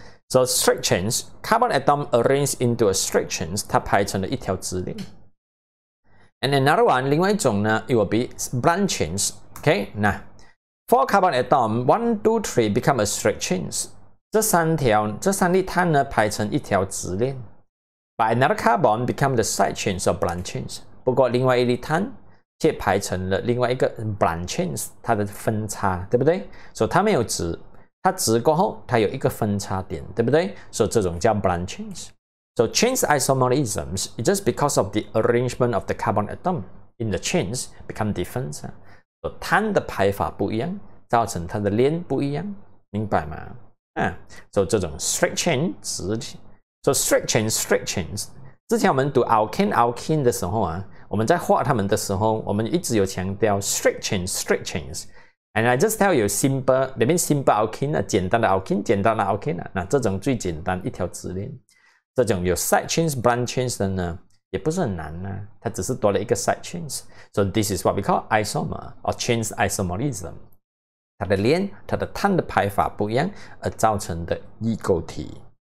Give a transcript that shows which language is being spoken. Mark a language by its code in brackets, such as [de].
[en] So straight chains, carbon atom arranged into a straight chains, [zh] 它排成了一条直链。 [en] And another one, [zh] 另外一种呢 [en] ，it will be branch chains. OK, 那。 Four carbon atom, one, two, three become a straight chains. [zh] 这三粒碳呢排成一条直链。 [en] By another carbon become the side chains or branch chains. [zh] 不过另外一粒碳却排成了另外一个 branch chains, 它的分叉，对不对？所以它没有直，它直过后它有一个分叉点，对不对？所以这种叫 branch chains. [en] So chains isomerisms is just because of the arrangement of the carbon atom in the chains become different. [zh] 碳的排法不一样，造成它的链不一样，明白吗？所以这种 straight chain 直链，所以 straight chain straight chains。之前我们读 alkane 的时候啊，我们在画它们的时候，我们一直有强调 straight chain straight chains。 [en] And I just tell you simple, that means simple alkane [zh] 啊，简单的 alkane, 简单的 alkane 啊。那这种最简单一条直链，这种有 side chains branch chains 的呢？也不是很难啊，它只是多了一个 side chains. [en] So this is what we call isomer or chain isomerism. [zh] 它的链，它的碳的排法不一样而造成的异构体。